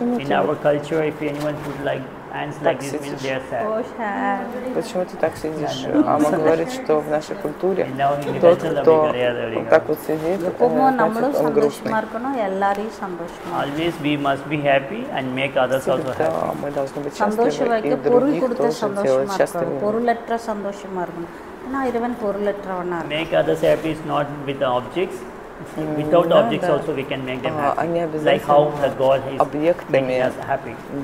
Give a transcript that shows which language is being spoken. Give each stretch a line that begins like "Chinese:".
English: In our culture, if anyone put like hands like this, means they are sad.
Russian: Почему ты так сидишь? Ама говорит, что в нашей культуре тот, кто так вот сидит, он грустный.
English: Always we must be happy and make others also happy.
Russian: Мы должны быть счастливы и других тоже делать счастливыми. Порулетра сандошимаркану.
English: Make others happy is not with the objects. Without objects also we can make them happy. Like how the God is making us happy.